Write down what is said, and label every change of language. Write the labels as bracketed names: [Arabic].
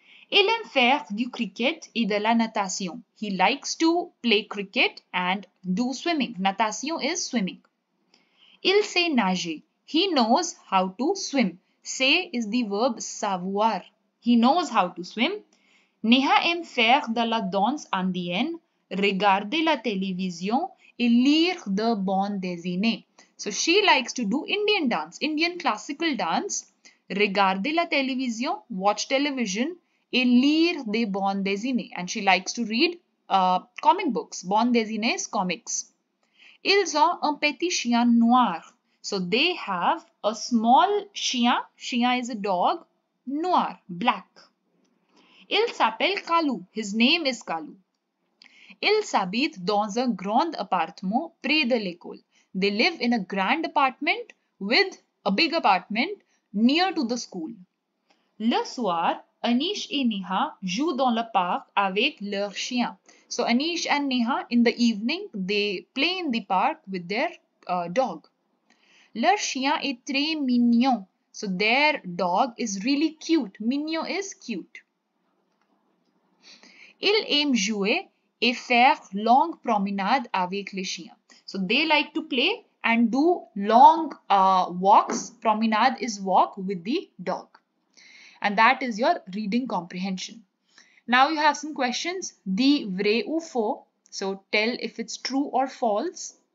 [French] Il aime faire du cricket et de la natation. [English] He likes to play cricket and do swimming. Natation is swimming. [French] Il sait nager. [English] He knows how to swim. Sait is the verb savoir. He knows how to swim. [French] Neha aime faire de la danse andienne, regarder la télévision et lire de bandes dessinées. [English] So she likes to do Indian dance, Indian classical dance. [French] Regarder la télévision, [English] watch television. [French] Et lire des bandes dessinées. [English] And she likes to read comic books. [French] Bandes dessinées, [English] comics. [French] Ils ont un petit chien noir. [English] So they have a small chien. Chien is a dog. Noir, black. [French] Il s'appelle Kalu. [English] His name is Kalu. [French] Ils habitent dans un grand appartement près de l'école. [English] They live in a grand apartment with a big apartment near to the school. [French] Le soir, Anish et Neha jouent dans le parc avec leur chien. [English] So Anish and Neha, in the evening, they play in the park with their dog. [French] Leur chien est très mignon. [English] So their dog is really cute. Mignon is cute. [French] Il aime jouer et faire long promenade avec les chiens. [English] So they like to play and do long walks. Promenade is walk with the dog. And that is your reading comprehension. Now you have some questions. [French] Di vrai ou faux? [English] So tell if it's true or false.